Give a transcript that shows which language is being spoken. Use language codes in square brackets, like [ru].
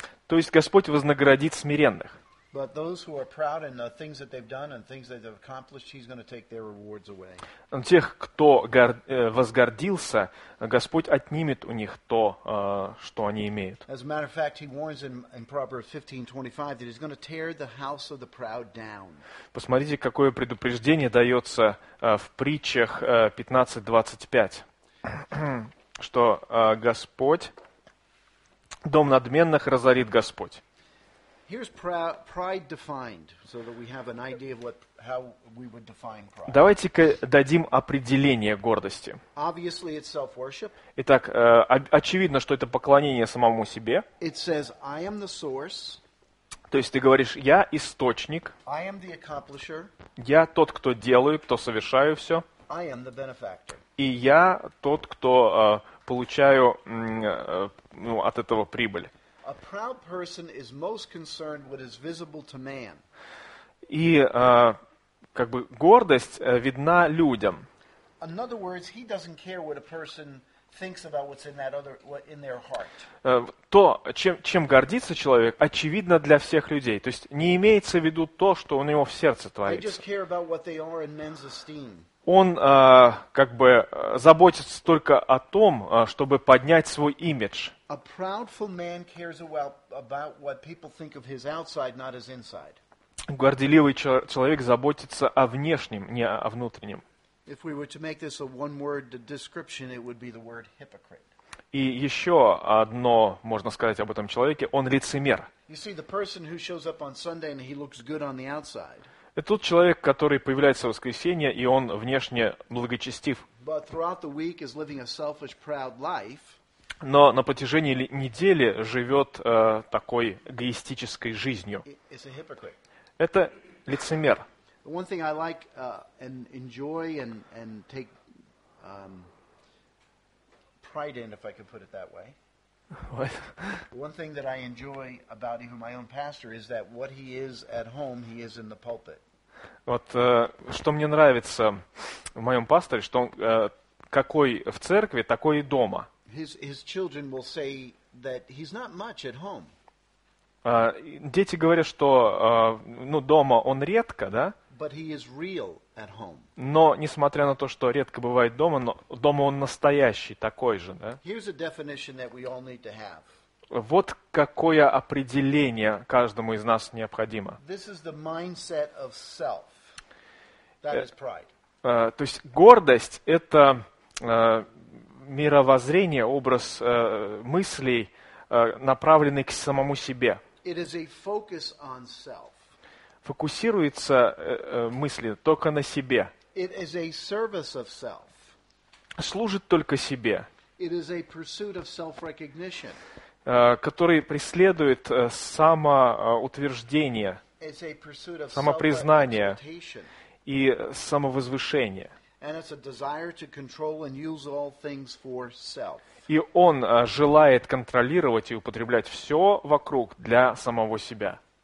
[ru] То есть Господь вознаградит смиренных. [en] But those who are proud in the things that they've done and things that they've accomplished, he's going to take their rewards away. [ru] Тех, кто возгордился, Господь отнимет у них то, что они имеют. [en] As a matter of fact, he warns in Proverbs 15:25 that he's going to tear the house of the proud down. [ru] Посмотрите, какое предупреждение дается в притчах 15:25, что Господь дом надменных разорит Господь. [en] Here's pride defined, so that we have an idea of what how we would define pride. [ru] Давайте-ка дадим определение гордости. [en] Obviously, it's self-worship. [ru] Итак, очевидно, что это поклонение самому себе. [en] It says, "I am the source." [ru] То есть ты говоришь, я источник. [en] I am the accomplisher. [ru] Я тот, кто делаю, кто совершаю все. [en] I am the benefactor. [ru] И я тот, кто получаю от этого прибыль. [en] A proud person is most concerned with what is visible to man. [ru] И как бы гордость видна людям. [en] In other words, he doesn't care what a person thinks about what's in that other what in their heart. [ru] То, чем гордится человек, очевидно для всех людей. То есть не имеется в виду то, что у него в сердце творится. [en] They just care about what they are in men's esteem. [ru] Он как бы заботится только о том, чтобы поднять свой имидж. [en] A proudful man cares about what people think of his outside, not his inside. [ru] Горделивый человек заботится о внешнем, не о внутреннем. [en] If we were to make this a one-word description, it would be the word hypocrite. [ru] И еще одно можно сказать об этом человеке, он лицемер. [en] You see, the person who shows up on Sunday and he looks good on the outside. [ru] Это тот человек, который появляется в воскресенье, и он внешне благочестив. [en] But throughout the week is living a selfish, proud life. [ru] Но на протяжении недели живет такой эгоистической жизнью. [en] It's a hypocrite. [ru] Это лицемер. [en] One thing I like and enjoy and take pride in, if I could put it that way. What? One thing that I enjoy about even my own pastor is that what he is at home, he is in the pulpit. [ru] Вот что мне нравится в моем пасторе, что он какой в церкви, такой и дома. [en] His children will say that he's not much at home. [ru] Дети говорят, что дома он редко, да? [en] But he is real at home. [ru] Но несмотря на то, что редко бывает дома, но дома он настоящий, такой же, да? [en] Here's a definition that we all need to have. [ru] Вот какое определение каждому из нас необходимо. [en] This is the mindset of self. That is pride. [ru] То есть гордость – это мировоззрение, образ мыслей, направленный к самому себе. [en] It is a focus on self. [ru] Фокусируется мысли только на себе. [en] It is a service of self. [ru] Служит только себе. [en] It is a pursuit of self-recognition. [ru] Который преследует самоутверждение, [en] it's a pursuit of [ru] самопризнание [en] self-expectation. [ru] И самовозвышение. [en] And it's a desire to control and use all things for self. [ru] И он желает контролировать и употреблять все вокруг для самого себя.